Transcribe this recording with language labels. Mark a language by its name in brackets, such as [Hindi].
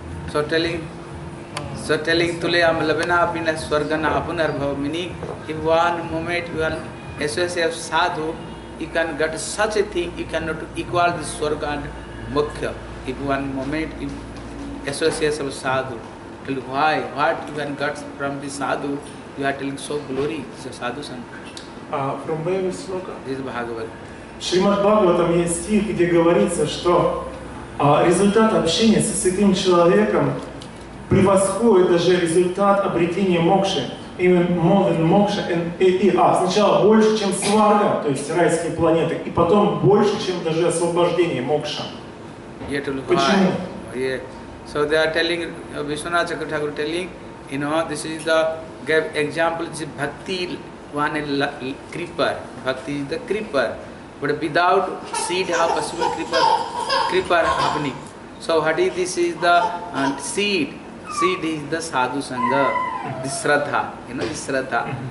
[English] So telling [Sanskrit] tulayam labanapi na swarga na apunar bhava, [English] meaning in one moment you are associated with sadhu, you can get such a thing, you cannot equal the swarga and mukhya. If one moment in association of sadhu, tell why, what you can get from the sadhu, you are telling so glory, it's a sadhu sankha. From where is sloka? This is Bhagavad. [Russian] Shrimad Bhagavatam есть стих, где говорится, что результат общения со святым человеком превосходит даже результат обретения мокши. [English] Even more than [Russian] мокша, сначала больше, чем сварга, то есть райские планеты, и потом больше, чем даже освобождение мокша. Почему? [English] Yeah. So they are telling, Vishwanath Chakrathakur telling, you know, this is the gave example, this is bhakti, one is creeper. Bhakti is the creeper. But without seed, how possible creeper happening? So what is this is the seed? Seed is the sadhu sangha, the sraddha, you know, the sraddha.